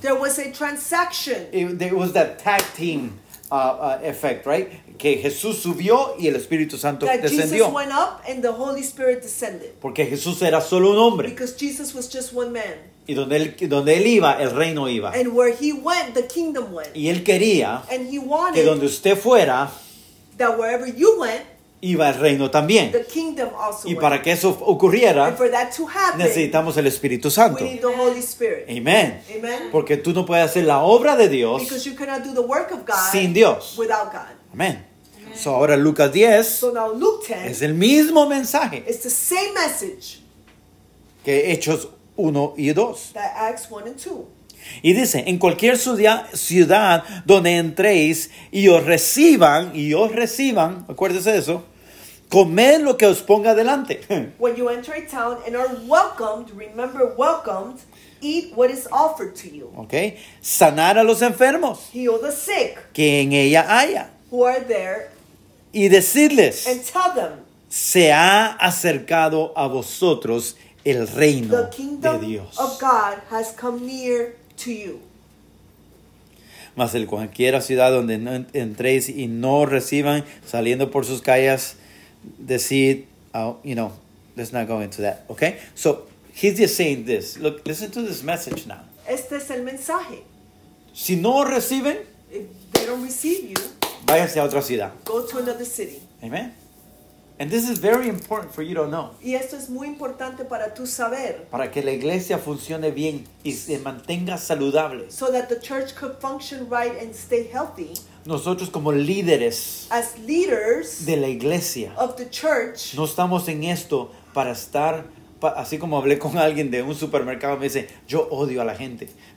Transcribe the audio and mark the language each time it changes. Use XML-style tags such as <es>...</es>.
<en>There was a transaction. There was that tag team effect, right?</en> <es>Que Jesús subió y el Espíritu Santo</es> <en>that</en> <es>descendió.</es> <en>Jesus went up and the Holy Spirit descended.</en> <es>Porque Jesús era solo un hombre.</es> <en>Because Jesus was just one man.</en> <es>Y donde él iba, el reino iba.</es> <en>And where he went, the kingdom went.</en> <es>Y él quería</es> <en>and he wanted</en> <es>que donde usted fuera,</es> <en>that wherever you went,</en> <es>iba el reino también.</es> <en>The kingdom also</en> <es>y para que eso ocurriera,</es> <en>and for that to happen,</en> <es>necesitamos el Espíritu Santo.</es> <en>We need the Holy Spirit. Amen. Amen.</en> <es>Porque tú no puedes hacer la obra de Dios</es> <en>because you cannot do the work of God</en> <es>sin Dios.</es> <en>Without God.</en> <es>Amen. Amen. So ahora Lucas 10,</es> <en>so now Luke 10</en> <es>es el mismo mensaje</es> <en>it's the same message</en> <es>que Hechos 1 y 2.</es> <en>That Acts 1 and 2.</en> <es>Y dice, en cualquier ciudad donde entréis y os reciban, acuérdese de eso, comed lo que os ponga delante.</es> <en>When you enter a town and are welcomed, remember welcomed, eat what is offered to you.</en> <es>Okay. Sanar a los enfermos.</es> <en>Heal the sick.</en> <es>Que en ella haya.</es> <en>Who are there.</en> <es>Y decirles.</es> <en>And tell them.</en> <es>Se ha acercado a vosotros el reino de Dios.</es> <en>The kingdom of God has come near to you.</en> <es>Mas el cualquiera ciudad donde no entréis y no reciban saliendo por sus calles decir,</es> <en>oh, you know, let's not go into that, okay? So he's just saying this. Look, listen to this message now. Este es el mensaje. Si no reciben, if they don't receive you, váyanse a otra ciudad. Go to another city. Amen. And this is very important for you to know.</en> <es>Y esto es muy importante para tú saber. Para que la iglesia funcione bien y se mantenga saludable.</es> <en>So that the church could function right and stay healthy.</en> <es>Nosotros como líderes.</es> <en>As leaders.</en> <es>De la iglesia.</es> <en>Of the church.</en> <es>No estamos en esto para estar. Así como hablé con alguien de un supermercado, me dice, yo odio a la gente.</es>